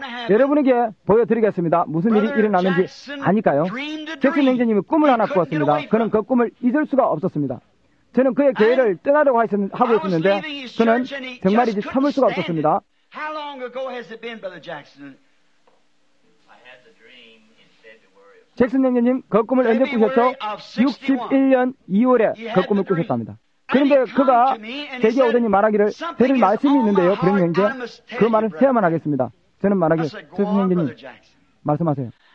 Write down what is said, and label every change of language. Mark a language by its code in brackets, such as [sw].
[ko] 여러분에게 보여드리겠습니다. 무슨 일이 일어나는지 아닐까요? 잭슨 형제님이 꿈을 하나 꾸었습니다. 그는 그 꿈을 잊을 수가 없었습니다. 저는 그의 교회를 떠나려고 하고 있었는데 그는 정말이지 참을 수가 없었습니다. [en] How long ago has it been, Brother Jackson? [ko] 잭슨 형제님, 그 꿈을 언제 꾸셨죠? 61년 2월에 그 꿈을 꾸셨답니다. 그런데 그가 제게 오더니 말하기를 드릴 말씀이 있는데요, 그런 형제. 그 말을 해야만 하겠습니다. 저는 말하기를, 잭슨 형제님, 말씀하세요.